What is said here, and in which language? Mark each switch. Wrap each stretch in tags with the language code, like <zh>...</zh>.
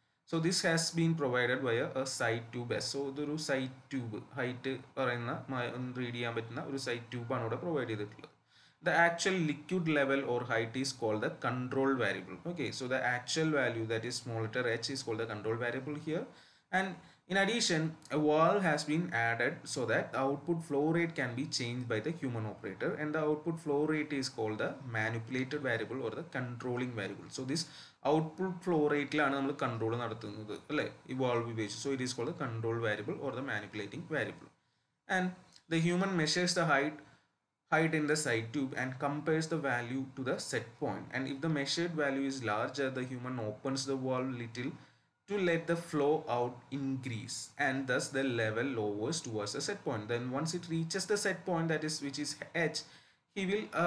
<en>So this has been provided by a sight tube.</en> <ml>So ഇതൊരു site tube, height പറയുന്ന read ചെയ്യാൻ പറ്റുന്ന ഒരു സൈറ്റ് ട്യൂബാണ് ഇവിടെ പ്രൊവൈഡ് ചെയ്തിട്ടുള്ളത്.</ml> <en>The actual liquid level or height is call the control variable. Okay, so the actual value that is small letter h is call the control variable here. And In addition, a valve has been added so that the output flow rate can be changed by the human operator, and the output flow rate is called the manipulated variable or the controlling variable. So this output flow rate</en> <ml>ലാണ് നമ്മൾ control നടത്തുന്നത് അല്ലേ, ഈ valve ഉപയോഗിച്ച്.</ml> <en>So it is called the control variable or the manipulating variable. And the human measures the height in the sight tube and compares the value to the set point. And if the measured value is large the human opens the valve little to let the flow out increase and thus the level lowers towards the set point. Then once it reaches the set point, that is which is h, he will</en>